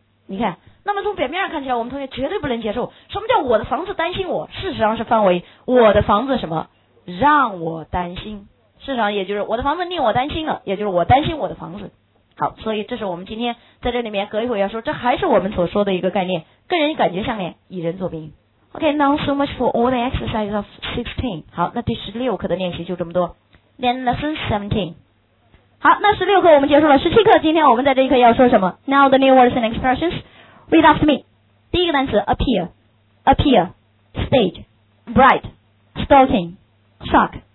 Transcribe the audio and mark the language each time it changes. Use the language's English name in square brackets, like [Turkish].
[Chinese] 你看，那么从表面上看起来我们同学绝对不能接受什么叫我的房子担心我，事实上是范围我的房子什么让我担心，事实上也就是我的房子令我担心了，也就是我担心我的房子。好，所以这是我们今天在这里面隔一会要说，这还是我们所说的一个概念，跟人感觉相连，以人作宾。 [English] OK， now so much for all the exercises of 16。 [Chinese] 好，那第16课的练习就这么多。 [English] Then lesson 17。 [Chinese] 好，那16课我们结束了，17课今天我们在这一课要说什么。 [English] Now the new words and expressions。 Read after me. [Chinese] 第一个单词 [English] appear, stage, bright, stalking, shock.